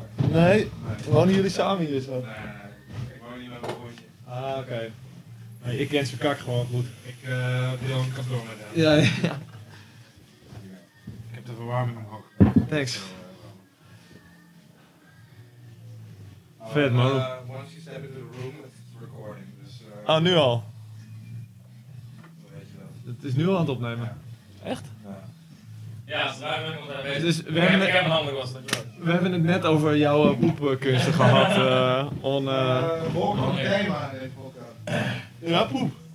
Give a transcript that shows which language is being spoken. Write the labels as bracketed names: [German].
[Dutch] Nee, gewoon jullie samen hier zo. Nee, ik woon hier met mijn broertje. Ah, oké. Okay. Nee, ik ken zijn kak gewoon goed. Ik wil een kantoor met hem. Ja, ja. Ik heb de verwarming omhoog. [English] Thanks. [Dutch] Vet man. [English] Once you step into the room, it's recording. [Dutch] Dus, Ah, nu al? Weet je wel. Het is nu al aan het opnemen. Ja. Echt? Ja, we hebben het net over jouw poepkunsten gehad. Volgende thema in deze podcast. Ja, poep.